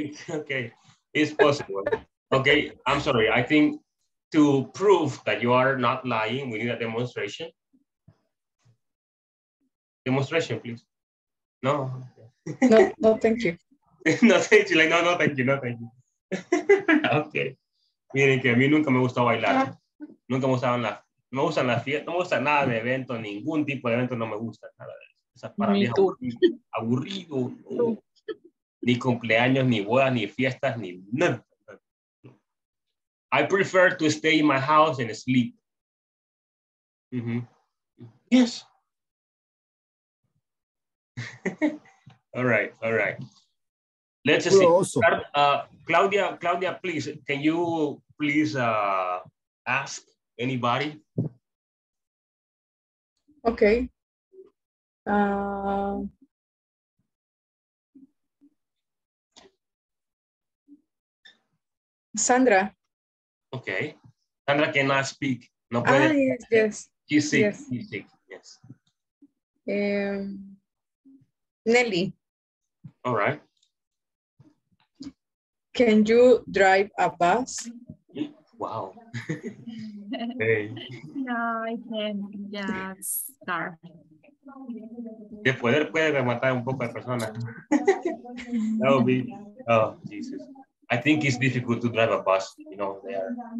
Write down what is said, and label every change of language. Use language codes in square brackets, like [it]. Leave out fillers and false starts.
[en] Okay. It's possible. Okay, I'm sorry. I think to prove that you are not lying, we need a demonstration. Demonstration, please. No. No, thank you. No, thank you. Like, no, no, thank you. No, thank you. Okay. [es] Miren que a mí nunca me gustó bailar. Nunca me gustaban las, no me gustan las fiestas, no me gusta nada de evento, ningún tipo de evento, no me gusta nada de eso. Esa para mí es aburrido. No. Ni cumpleaños, ni bodas, ni fiestas, ni nada. [en] I prefer to stay in my house and sleep. Mm-hmm. Yes. All right, all right. Let's see. Claudia, please, can you please ask anybody? Okay. Sandra. Okay. Sandra cannot speak. No puede. Ah, yes. He's sick. Yes. He's sick. Yes. Nelly. All right. Can you drive a bus? Wow. Hey. No, I can't. Yes. Sorry. [es] De poder puede rematar un poco a persona. [en] That would be, oh, Jesus. I think it's difficult to drive a bus, you know, there.